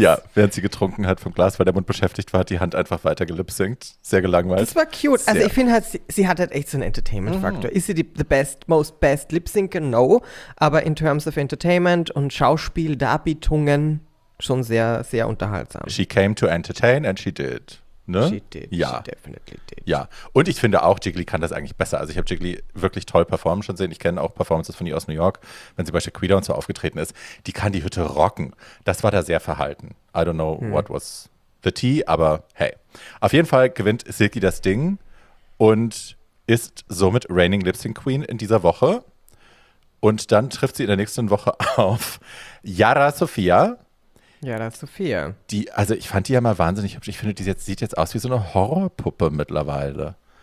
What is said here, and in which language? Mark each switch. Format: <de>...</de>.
<de>Ja, während sie getrunken hat vom Glas, weil der Mund beschäftigt war, hat die Hand einfach weiter gelipsynkt. Sehr gelangweilt. Das war cute. Sehr. Also ich finde halt, sie hat halt echt so einen Entertainment-Faktor. Oh. Ist sie</de> <en>the most best</en> <de>Lip-Syncer?</de> <en>No.</en> <de>Aber</de> <en>in terms of</en> <de>Entertainment und Schauspiel, Darbietungen, schon sehr, sehr unterhaltsam.</de> <en>She came to entertain and she did.</en> <de>Ne?</de> <en>She definitely did.</en> <de>Ja, und ich finde auch, Jiggly kann das eigentlich besser. Also ich habe Jiggly wirklich toll performen schon sehen. Ich kenne auch Performances von ihr aus New York, wenn sie bei Shaquita und so aufgetreten ist. Die kann die Hütte rocken. Das war da sehr verhalten.</de> <en>I don't know what was the tea,</en> <de>aber hey. Auf jeden Fall gewinnt Silky das Ding und ist somit reigning Lip-Sync Queen in dieser Woche. Und dann trifft sie in der nächsten Woche auf Yara Sophia. Ja, da ist Sophia. Die, also ich fand die ja mal wahnsinnig hübsch. Ich finde, die sieht jetzt aus wie so eine Horrorpuppe mittlerweile.</de>